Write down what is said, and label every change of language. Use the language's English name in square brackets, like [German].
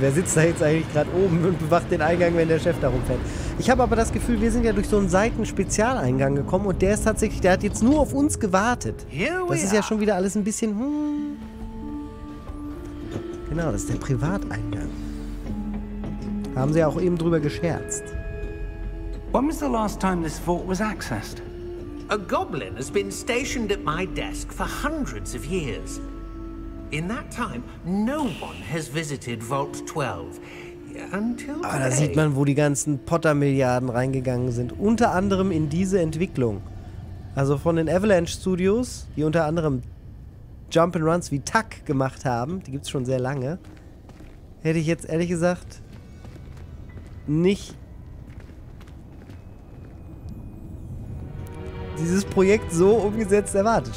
[German] Wer sitzt da jetzt eigentlich gerade oben und bewacht den Eingang, wenn der Chef da rumfährt? Ich habe aber das Gefühl, wir sind ja durch so einen Seitenspezialeingang gekommen und der ist tatsächlich, der hat jetzt nur auf uns gewartet. Das ist ja schon wieder alles ein bisschen, Genau, das ist der Privateingang. Haben sie ja auch eben drüber gescherzt. [English] When was the last time this vault was accessed? A goblin has been stationed at my desk for hundreds of years. In that time, no one has visited Vault 12. [German] Ah, da sieht man, wo die ganzen Potter-Milliarden reingegangen sind. Unter anderem in diese Entwicklung. Also von den Avalanche-Studios, die unter anderem Jump'n'Runs wie Tuck gemacht haben, die gibt es schon sehr lange, hätte ich jetzt ehrlich gesagt nicht dieses Projekt so umgesetzt erwartet.